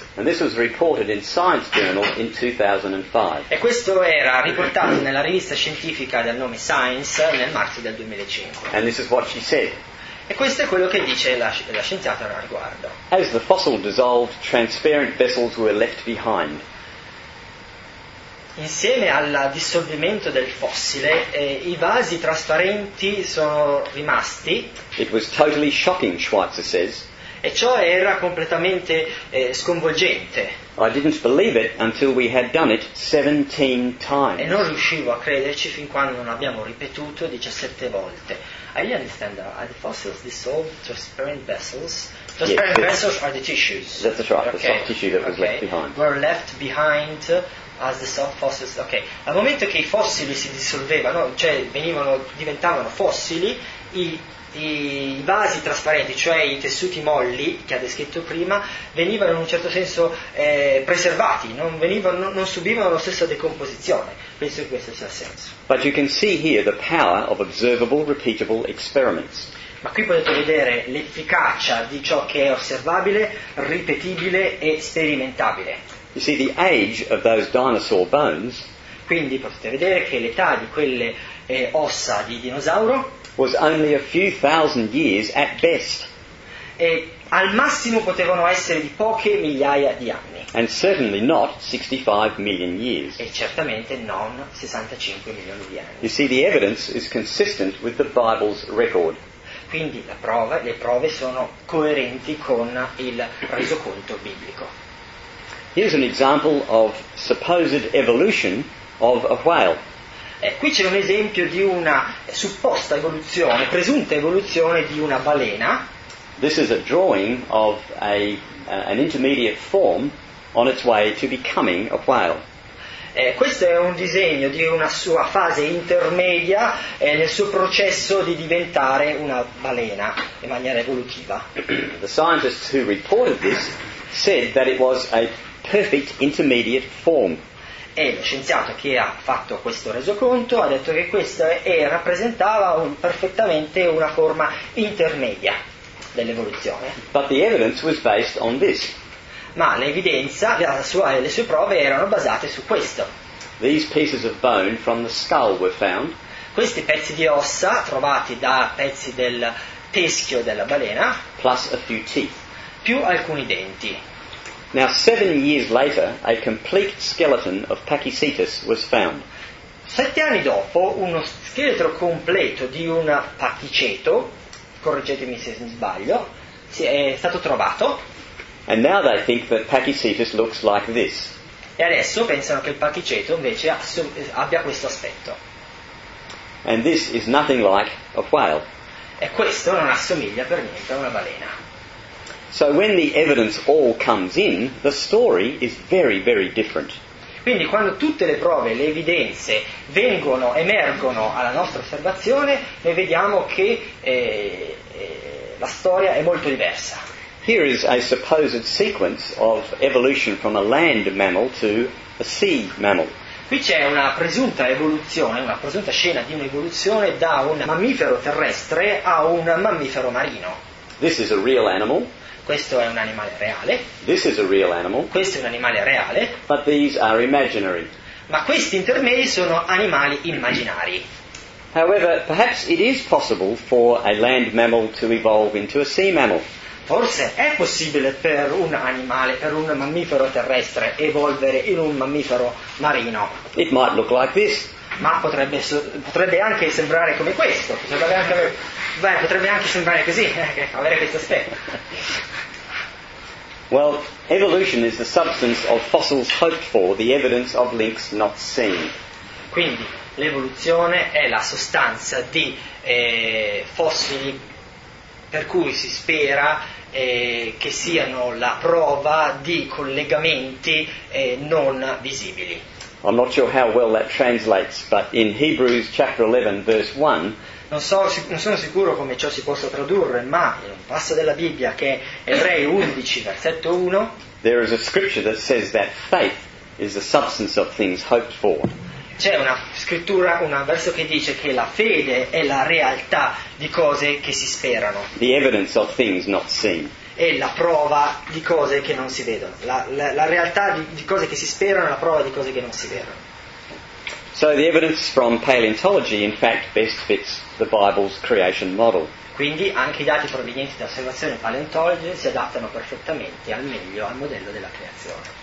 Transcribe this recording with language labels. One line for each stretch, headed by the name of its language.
English: And this was reported in Science Journal in 2005.
Italian: E questo era riportato nella rivista scientifica dal nome Science nel marzo del 2005.
English: And this is what she said.
Italian: E questo è quello che dice la scienziata al riguardo.
English: As the fossil dissolved, transparent vessels were left behind.
Italian: Insieme al dissolvimento del fossile, i vasi trasparenti sono rimasti.
English: It was totally shocking, Schweitzer says.
Italian: e ciò era completamente sconvolgente.
English: I didn't believe it until we had done it 17 times.
Italian: E non riuscivo a crederci fin quando non abbiamo ripetuto 17 volte.
English: I understand that the fossils dissolve transparent vessels. Transparent vessels are the tissues. That's right, okay. The soft tissue that was left behind. Were left behind as the soft fossils.
Italian: Ok, al momento che i fossili si dissolvevano, cioè diventavano fossili, i vasi trasparenti, cioè i tessuti molli che ha descritto prima, venivano in un certo senso preservati, non subivano la stessa decomposizione. Penso che questo sia il senso.
English: But you can see here the power of observable, repeatable experiments.
Italian: Ma qui potete vedere l'efficacia di ciò che è osservabile, ripetibile e sperimentabile.
English: You see the age of those dinosaur bones.
Italian: Quindi potete vedere che l'età di quelle ossa di dinosauro
English: was only a few thousand years at best.
Italian: E al massimo potevano essere di poche migliaia di anni.
English: And certainly not 65 million years.
Italian: E certamente non 65 milioni di anni.
English: You see, the evidence is consistent with the Bible's record.
Italian: Quindi le prove sono coerenti con il resoconto biblico.
English: Here's an example of supposed evolution of a whale.
Italian: Qui c'è un esempio di una supposta evoluzione, presunta evoluzione di una balena.
English: This is a drawing of an intermediate form on its way to becoming a whale.
Italian: Questo è un disegno di una sua fase intermedia nel suo processo di diventare una balena in maniera evolutiva.
English: The scientists who reported this said that it was a perfect intermediate form.
Italian: E lo scienziato che ha fatto questo resoconto ha detto che questo rappresentava perfettamente una forma intermedia dell'evoluzione.
English: But the evidence was based on this.
Italian: Ma l'evidenza, le sue prove erano basate su questo.
English: These pieces of bone from the skull were found.
Italian: Questi pezzi di ossa trovati da pezzi del teschio della balena,
English: plus a few teeth.
Italian: Più alcuni denti.
English: Now 7 years later, a complete skeleton of Pachycetus was found.
Italian: 7 anni dopo, uno scheletro completo di un pachiceto, correggetemi se sbaglio, è stato trovato.
English: And now they think that Pachycetus looks like this.
Italian: E adesso pensano che il pachiceto invece abbia questo aspetto.
English: And this is nothing like a whale.
Italian: E questo non assomiglia per niente a una balena.
English: So when the evidence all comes in, the story is very, very different.
Italian: Quindi quando tutte le prove, le evidenze vengono, emergono alla nostra osservazione, noi vediamo che la storia è molto diversa.
English: Here is a supposed sequence of evolution from a land mammal to a sea mammal.
Italian: Qui c'è una presunta evoluzione, una presunta scena di un'evoluzione da un mammifero terrestre a un mammifero marino.
English: This is a real animal.
Italian: Questo è un animale reale.
English: This is a real animal.
Italian: Questo è un animale reale.
English: But these are imaginary.
Italian: Ma questi intermedi sono animali immaginari.
English: However, perhaps it is possible for a land mammal to evolve into a sea mammal.
Italian: Forse è possibile per un animale, per un mammifero terrestre, evolvere in un mammifero marino.
English: It might look like this.
Italian: Ma potrebbe anche sembrare come questo. Potrebbe anche sembrare così, avere questo aspetto.
English: Well, evolution is the substance of fossils hoped for, the evidence of links not seen.
Italian: Quindi, l'evoluzione è la sostanza di fossili per cui si spera che siano la prova di collegamenti non visibili.
English: I'm not sure how well that translates, but in Hebrews chapter 11 verse 1.
Italian: Non sono sicuro come ciò si possa tradurre, ma in un passo della Bibbia che è Ebrei 11 versetto 1.
English: There is a scripture that says that faith is the substance of things hoped for.
Italian: C'è una scrittura, un verso che dice che la fede è la realtà di cose che si sperano.
English: The evidence of things not seen.
Italian: È la prova di cose che non si vedono. La realtà di cose che si sperano è la prova di cose che non si vedono.
English: So the evidence from paleontology in fact best fits the Bible's creation model.
Italian: Quindi anche i dati provenienti da osservazione paleontologica si adattano perfettamente al meglio al modello della creazione.